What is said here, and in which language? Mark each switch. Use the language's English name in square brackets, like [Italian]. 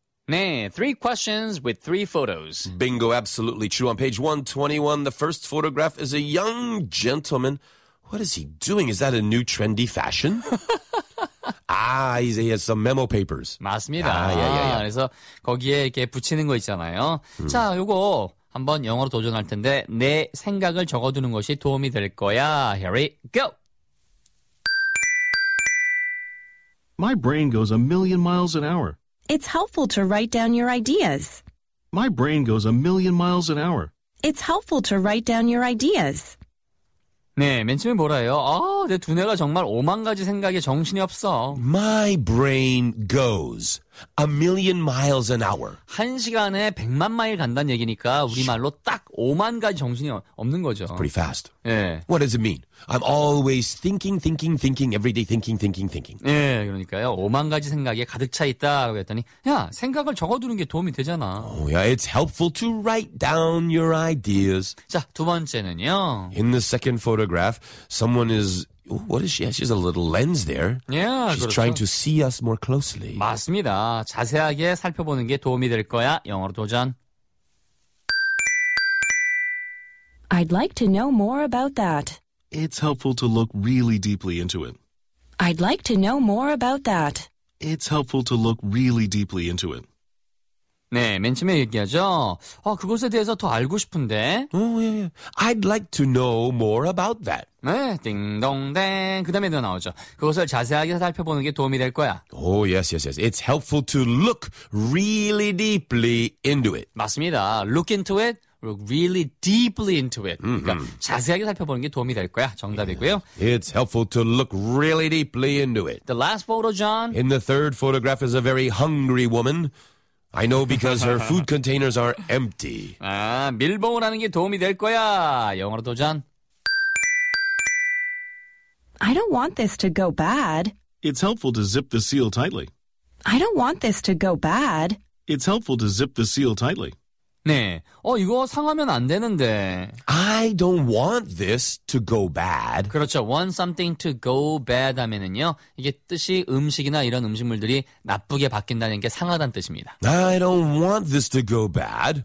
[English] Nay, three questions with three photos. Bingo, absolutely true. On page 121, the first photograph is a young gentleman. What is he doing? Is that a new trendy fashion? he has some memo papers. [Korean] 맞습니다. 아, 예, 예, 예. 그래서 거기에 이렇게 붙이는 거 있잖아요. 자, 요거 한번 영어로 도전할 텐데 내 생각을 적어두는 것이 도움이 될 거야. [English] Here we go! My brain goes a million miles an hour. It's helpful to write down your ideas. My brain goes a million miles an hour. It's helpful to write down your ideas. [Korean] 네, 맨 처음에 뭐라 해요? 아, 내 두뇌가 정말 오만 가지 생각에 정신이 없어. [English] My brain goes a million miles an hour. [Korean] 한 시간에 백만 마일 간다는 얘기니까 우리말로 딱 오만 가지 정신이 없는 거죠. [English] It's pretty fast. [Korean] 네. [English] What does it mean? I'm always thinking, thinking, thinking, every day thinking, thinking, thinking. [Korean] 네, 그러니까요. 오만 가지 생각에 가득 차 있다고 했더니 야, 생각을 적어두는 게 도움이 되잖아. [English] Oh, yeah, it's helpful to write down your ideas. [Korean] 자, 두 번째는요. [English] In the second photograph, someone is... What is she? She has a little lens there. Yeah, she's [Korean] 그렇죠. [English] trying to see us more closely. [Korean] 맞습니다. 자세하게 살펴보는 게 도움이 될 거야. 영어로 도전. [English] I'd like to know more about that. It's helpful to look really deeply into it. I'd like to know more about that. It's helpful to look really deeply into it. [Korean] 네, 맨 처음에 얘기하죠. 아, 그것에 대해서 더 알고 싶은데. [English] Oh, yeah, yeah. I'd like to know more about that. [Korean] 네, 띵동댕. 그 다음에 또 나오죠. 그것을 자세하게 살펴보는 게 도움이 될 거야. [English] Oh, yes, yes, yes. It's helpful to look really deeply into it. [Korean] 맞습니다. [English] Look into it. Look really deeply into it. Mm-hmm. [Korean] 그러니까 자세하게 살펴보는 게 도움이 될 거야. 정답이고요. [English] Yeah. It's helpful to look really deeply into it. The last photo, John. In the third photograph is a very hungry woman. I know because her food containers are empty. [Korean] 아, 밀봉을 하는 게 도움이 될 거야. 영어로 도전. [English] I don't want this to go bad. It's helpful to zip the seal tightly. I don't want this to go bad. It's helpful to zip the seal tightly. [Korean] 네. 어, 이거 상하면 안 되는데. [English] I don't want this to go bad. [Korean] 그렇죠. [English] Want something to go bad [Korean] 하면은요. 이게 뜻이 음식이나 이런 음식물들이 나쁘게 바뀐다는 게 상하다는 뜻입니다. [English] I don't want this to go bad.